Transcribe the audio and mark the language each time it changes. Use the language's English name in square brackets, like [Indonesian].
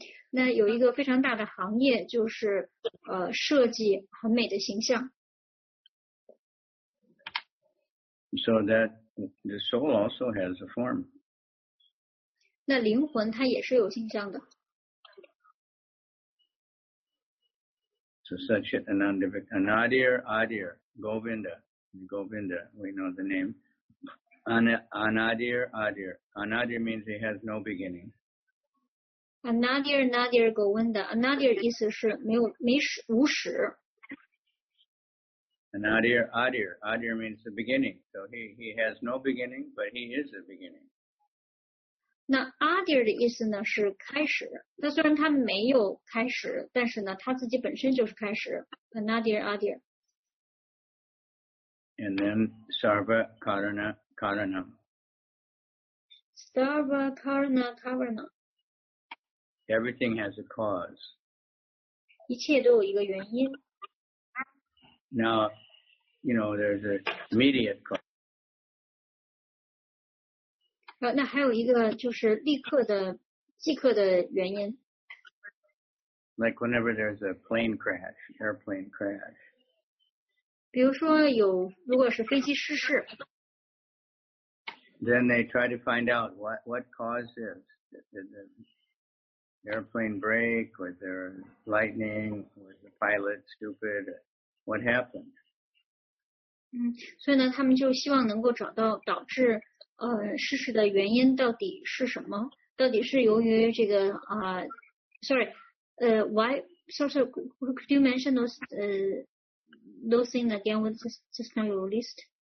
[Chinese] 那有一个非常大的行业，就是设计很美的形象。 [English] So that the soul also has a form. [Chinese] 那灵魂它也是有形象的。 [English] So such an Anadir Adir Govinda, Govinda, we know the name. Anadir Adir. Anadir means he has no beginning. [Chinese] Anadir Nadir Govinda. Anadir 意思是无始。 [English] Anadir Adir. Adir means the beginning. So he has no beginning, but he is the beginning. [Chinese] 那 Adir 的意思呢是开始。那虽然他没有开始，但是呢他自己本身就是开始。 [Sanskrit] Anadir Adir. And then Sarva Karana Karana. Sarva Karana Karana. [English] Everything has a cause. [Chinese] 一切都有一个原因。 [English] Now, you know, there's an immediate cause. [Chinese] 那还有一个就是立刻的、即刻的原因。 [English] Like whenever there's a plane crash, airplane crash. [Chinese] 比如说有，如果是飞机失事。 [English] Then they try to find out what cause is. Airplane break, was there lightning, was the pilot stupid, what happened? [Chinese] 所以呢他们就希望能够找到导致失事的原因到底是什么，到底是由于这个 [English] could you mention those things again, with just now you released?